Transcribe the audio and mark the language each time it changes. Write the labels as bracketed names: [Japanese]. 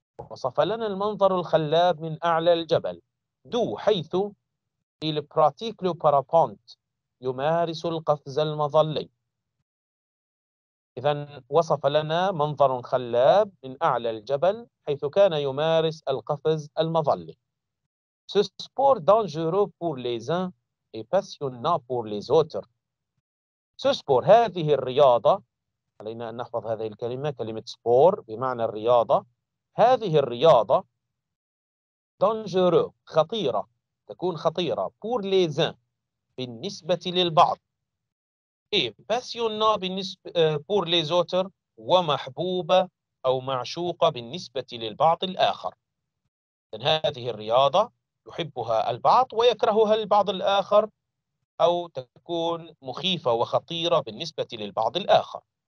[Arabic] وصف لنا المنظر الخلاب من أعلى الجبل. دو حيث [French] il pratique le parapente، [Arabic] يمارس القفز المظلي. إذن وصف لنا منظر خلاب من أعلى الجبل حيث كان يمارس القفز المظلي. [French] Ce sport dangereux pour les uns et passionnant pour les autres. Ce sport, [Arabic] هذه الرياضة، علينا أن نحفظ هذه الكلمة، كلمة سبور بمعنى الرياضة. هذه الرياضة dangereux، خطيرة، تكون خطيرة. [French] Pour les uns، [Arabic] بالنسبة للبعض. إيه passionnant بالنسبة [French] pour les autres، [Arabic] ومحبوبة أو معشوقة بالنسبة للبعض الآخر. إذن هذه الرياضة يحبها البعض ويكرهها البعض الآخر، أو تكون مخيفة وخطيرة بالنسبة للبعض الآخر.